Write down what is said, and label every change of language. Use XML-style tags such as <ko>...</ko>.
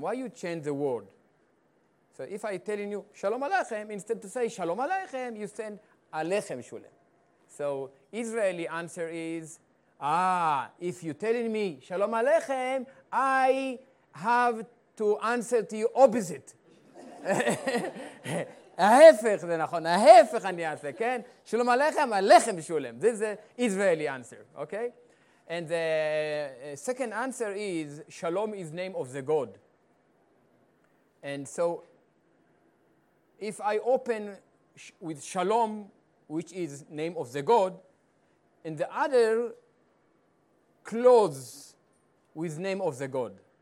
<en>Why you change the word? So if I telling you Shalom Aleichem, instead to say Shalom Aleichem, you send Aleichem Shalom. So Israeli answer is, if you telling me Shalom Aleichem, I have to answer to you opposite.</en> <he>ההפך זה נכון, ההפך אני אעשה, כן? שלום עליכם, עליכם שולם.</he> <en>This is the Israeli answer, okay? And the second answer is, Shalom is name of the God. And so, if I open with Shalom, which is name of the God, and the other close with name of the God.</en>